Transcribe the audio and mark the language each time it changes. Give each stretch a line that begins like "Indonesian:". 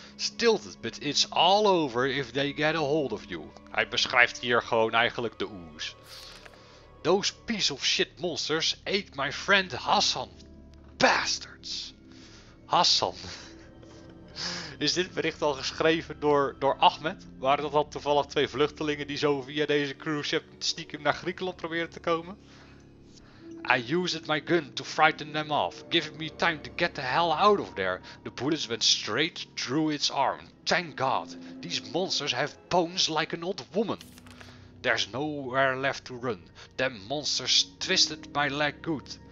English: Stilted, but it's all over if they get a hold of you.
Dutch: Hij beschrijft hier gewoon eigenlijk de ooze.
English: Those piece of shit monsters ate my friend Hassan. Bastards. Hassan.
Dutch: Is dit bericht al geschreven door Ahmed? Waren dat al toevallig twee vluchtelingen die zo via deze cruise ship stiekem naar Griekenland proberen te komen?
English: I used my gun to frighten them off, giving me time to get the hell out of there. The bullets went straight through its arm. Thank God, these monsters have bones like an old woman. There's nowhere left to run. Them monsters twisted my leg good.